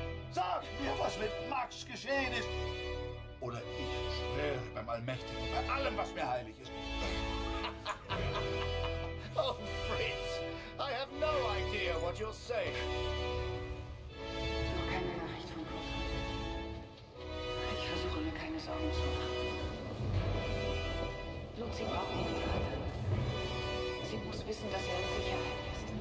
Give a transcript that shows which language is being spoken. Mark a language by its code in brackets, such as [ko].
[de] Sag mir, was mit Max geschehen ist. Oder ich schwöre beim Allmächtigen, bei allem, was mir heilig ist. [en] Oh, Fritz, I have no idea what you're saying. [de] Noch keine Nachricht von Gott. Ich versuche mir keine Sorgen zu machen. Lucy braucht ihren Vater. Sie muss wissen, dass er in Sicherheit ist.